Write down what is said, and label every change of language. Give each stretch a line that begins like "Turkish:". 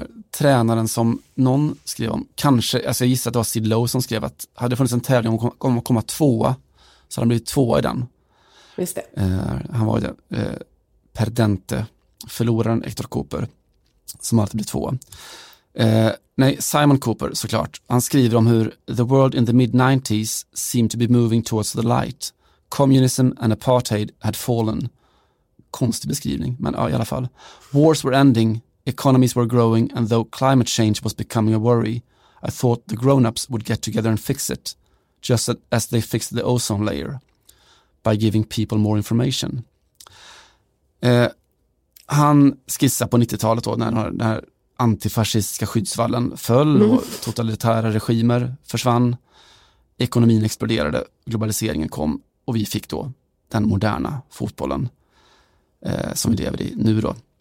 Swedish: tränaren som någon skrev om, kanske, alltså jag gissar att det var Sid Lowe som skrev, att hade det funnits en tävling om att komma tvåa, så hade han blivit tvåa i den. Just det. Han var ju perdente, förloraren Hector Cooper, som alltid blev tvåa. Nej, Simon Cooper såklart. Han skriver om hur
English: the world in the mid-90s seemed to be moving towards the light. Communism and apartheid had fallen.
Swedish: Konstig beskrivning, men ja, i alla fall.
English: Wars were ending, economies were growing, and though climate change was becoming a worry, I thought the grown-ups would get together and fix it, just as they fixed the ozone layer, by giving people more information.
Swedish: Han skissar på 90-talet då, när den här antifascistiska skyddsvallen föll och totalitära regimer försvann, ekonomin exploderade, globaliseringen kom, och vi fick då den moderna fotbollen som vi lever i nu då.